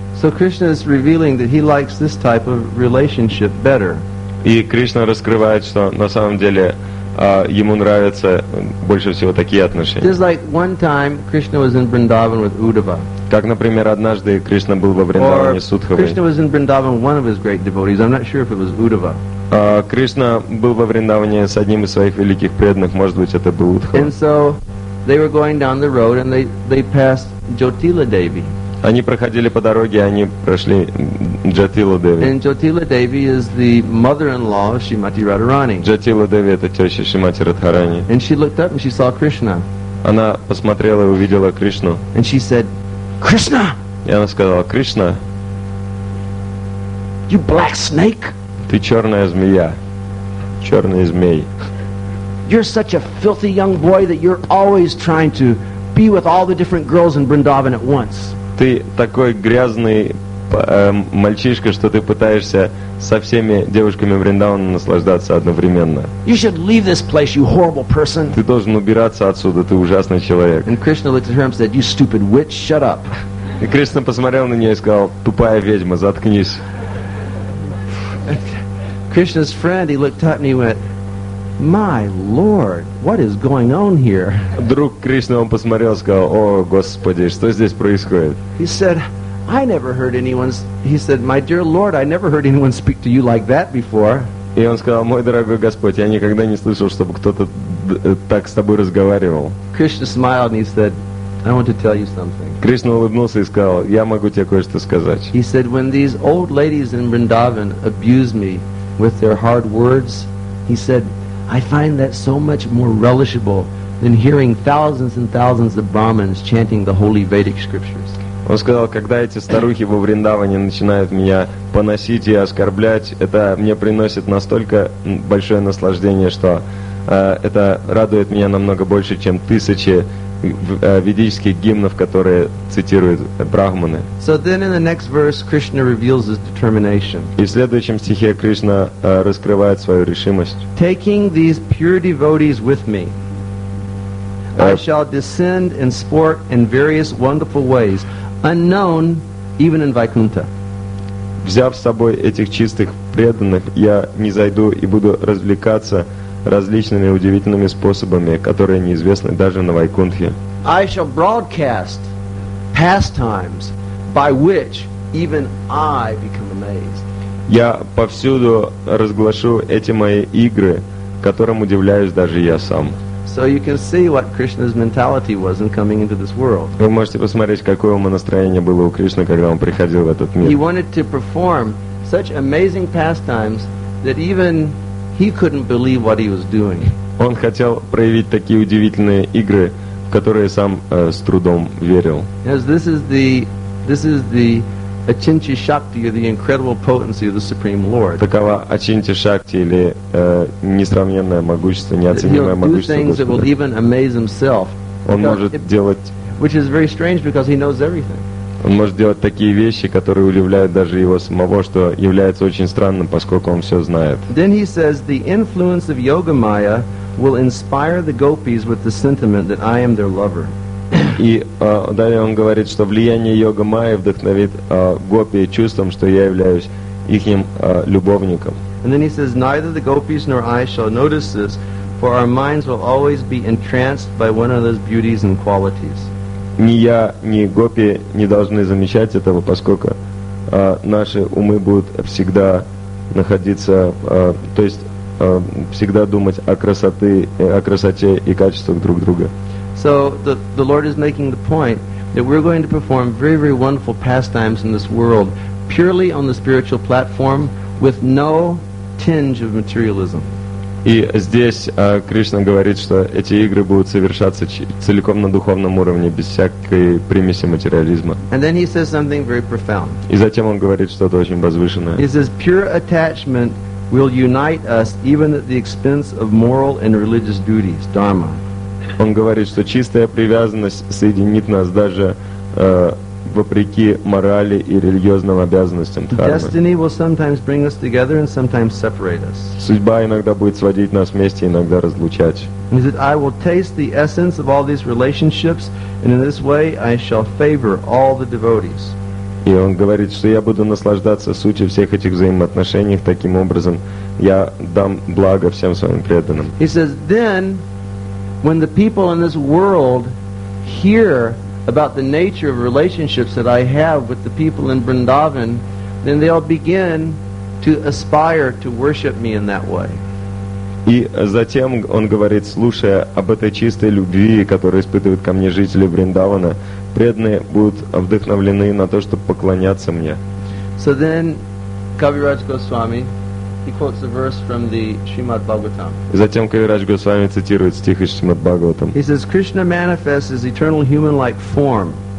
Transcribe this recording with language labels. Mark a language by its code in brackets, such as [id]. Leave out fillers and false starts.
[en] So Krishna is revealing that he likes this type of relationship better. [ru] И Кришна раскрывает, что на самом деле ему нравятся больше всего такие отношения. [en] Just like one time Krishna was in Vrindavan with Uddhava. [ru] Как, например, однажды Кришна был во Вриндаване с Удхавой. [en] Krishna was in Vrindavan with one of his great devotees. I'm not sure if it was Uddhava. [ru] Кришна был во Вриндаване с одним из своих великих преданных, может быть, это был Удхава. [en] And so they were going down the road and they passed Jyotila Devi. [ru] Они проходили по дороге, они прошли Джатила Деви. [en] And Jyotila Devi is the mother-in-law of Shrimati Radharani. [ru] Джатила Деви — это теща Шримати Радхарани. [en] And she looked up and she saw Krishna. [ru] Она посмотрела и увидела Кришну. [en] And she said, Krishna! [ru] И она сказала: Кришна, [en] you black snake! [ru] Ты черная змея, черный змей. [en] You're such a filthy young boy that you're always trying to be with all the different girls in Vrindavan at once. [ru] Ты такой грязный мальчишка, что ты пытаешься со всеми девушками Вриндавана наслаждаться одновременно. [en] You should leave this place, you horrible person. [ru] Ты должен убираться отсюда, ты ужасный человек. [en] And Krishna looked at her and said, you stupid witch, shut up. [ru] И Кришна посмотрел на нее и сказал: тупая ведьма, заткнись. [en] Krishna's friend, he looked up and he went, my lord, what is going on here? [ru] Друг Кришны, он посмотрел и сказал: о, Господи, что здесь происходит? [en] He said, I never heard anyone, he said, my dear lord, I never heard anyone speak to you like that before. [ru] И он сказал: мой дорогой Господь, я никогда не слышал, чтобы кто-то так с тобой разговаривал. [en] Krishna smiled and he said, I want to tell you something. [ru] Кришна улыбнулся и сказал: я могу тебе кое-что сказать. [en] He said, when these old ladies in Vrindavan abuse me with their hard words, he said, I find that so much more relishable than hearing thousands and thousands of Brahmins chanting the holy Vedic scriptures. [ru] Он сказал: когда эти старухи во Вриндаване начинают меня поносить и оскорблять, это мне приносит настолько большое наслаждение, что это радует меня намного больше, чем тысячи ведических гимнов, которые цитируют брахманы. [en] So then in the next verse, Krishna reveals his determination. [ru] И в следующем стихе Кришна раскрывает свою решимость. [en] Taking these pure devotees with me, I shall descend and sport in various wonderful ways, unknown even in Vaikuntha. [ru] Взяв с собой этих чистых преданных, я не зайду и буду развлекаться различными удивительными способами, которые неизвестны даже на Вайкунтхе. [en] I shall broadcast pastimes by which even I become amazed. [ru] Я повсюду разглашу эти мои игры, которым удивляюсь даже я сам. [en] So you can see what Krishna's mentality was in coming into this world. [ru] Вы можете посмотреть, какое ему настроение было у Кришны, когда он приходил в этот мир. [en] He wanted to perform such amazing pastimes that even he couldn't believe what he was doing. [ru] Он хотел проявить такие удивительные игры, в которые сам с трудом верил. [en] As this is the Achintya Shakti, the incredible potency of the Supreme Lord. [ru] Такова Ачинтья Шакти, или несравненное могущество, неоценимое могущество Господа. [en] Do things that will even amaze himself. [ru] Он может делать. [en] Which is very strange because he knows everything. [ru] Он может делать такие вещи, которые удивляют даже его самого, что является очень странным, поскольку он все знает. [en] Then he says, the influence of Yogamaya will inspire the gopis with the sentiment that I am their lover. [ru] И далее он говорит, что влияние йога майя вдохновит гопи чувством, что я являюсь ихним любовником. [en] And then he says, neither the gopis nor I shall notice this, for our minds will always be entranced by one of those beauties and qualities. [ru] Ни я, ни гопи не должны замечать этого, поскольку наши умы будут всегда находиться, то есть всегда думать о красоте и качествах друг друга. [en] So the Lord is making the point that we're going to perform very, very wonderful pastimes in this world purely on the spiritual platform with no tinge of materialism. [ru] И здесь Кришна говорит, что эти игры будут совершаться целиком на духовном уровне, без всякой примеси материализма. [en] And then he says something very profound. [ru] И затем он говорит что-то очень возвышенное. [en] He says, pure attachment will unite us even at the expense of moral and religious duties, dharma. [ru] Он говорит, что чистая привязанность соединит нас даже вопреки морали и религиозным обязанностям, дхармы. [en] Destiny will sometimes bring us together and sometimes separate us. [ru] Судьба иногда будет сводить нас вместе, иногда разлучать. [en] He said, I will taste the essence of all these relationships, and in this way I shall favor all the devotees. [ru] И он говорит, что я буду наслаждаться сутью всех этих взаимоотношений, таким образом я дам благо всем своим преданным. [en] He says, then, when the people in this world hear about the nature of relationships that I have with the people in Vrindavan, then they'll begin to aspire to worship me in that way. [ru] И затем он говорит, слушая об этой чистой любви, которую испытывают ко мне жители Вриндавана, преданные будут вдохновлены на то, чтобы поклоняться мне. [en] So then, Kaviraj Goswami, he quotes a verse from the Shrimad Bhagavatam. [ru] И затем Кавирадж Госвами цитирует стих из Шримад Бхагаватам. [en] He says, Krishna manifests his eternal human-like form.